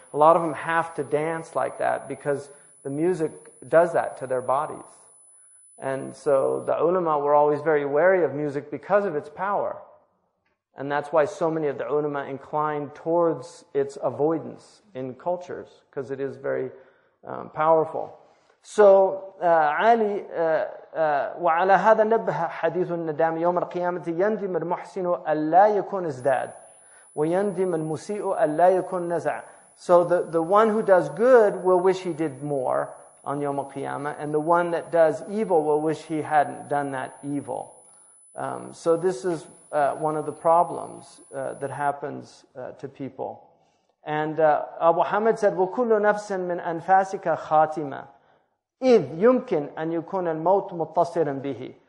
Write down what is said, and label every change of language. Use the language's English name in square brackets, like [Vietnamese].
[English] A lot of them have to dance like that because the music does that to their bodies. And so the ulama were always very wary of music because of its power. And that's why so many of the ulama inclined towards its avoidance in cultures, because it is very powerful. [Arabic] So, Ali, وعلى هذا نبه حديث الندام يوم القيامة يندم المحسن ألا يكون ازداد ويندم المسيء ألا يكون نزع. [English] So the one who does good will wish he did more on Yom Al-Qiyamah, and the one that does evil will wish he hadn't done that evil. So this is one of the problems that happens to people. And Abu Hamid said, [Arabic] وَكُلُّ نَفْسٍ مِنْ أَنْفَاسِكَ خَاتِمَةٍ إِذْ يُمْكِنْ أَنْ يُكُونَ الْمَوْتُ مُتَّصِرًا بِهِ.